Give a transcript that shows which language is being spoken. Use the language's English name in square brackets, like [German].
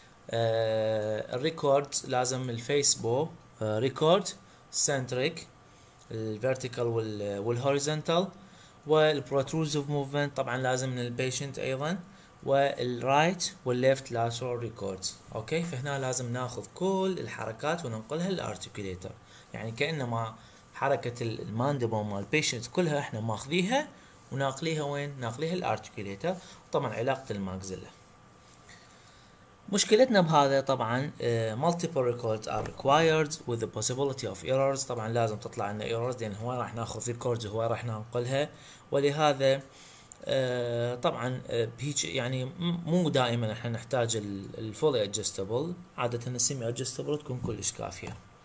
[Arabic] الريكورد لازم الفيس بو ريكورد سنتريك الفيرتيكال والهوريزونتال والبروتروزيف موفمنت طبعا لازم من البيشنت ايضا والرايت والليفت لاترال ريكورد. اوكي فهنا لازم ناخذ كل الحركات وننقلها للارتكوليتر، يعني كانما حركه الماندبل مال البيشنت كلها احنا ماخذيها وناقليها وين؟ ناقليها للارتكوليتر طبعا علاقه الماكسيلا. مشكلتنا بهذا طبعا [English] multiple records are required with the possibility of errors. [Arabic] طبعا لازم تطلع لنا errors لان هواي راح ناخذ ريكورد وهواي راح ننقلها، ولهذا طبعا بهيج يعني مو دائما احنا نحتاج الفولي ادجستبل، عاده السيمي ادجستبل تكون كلش كافيه.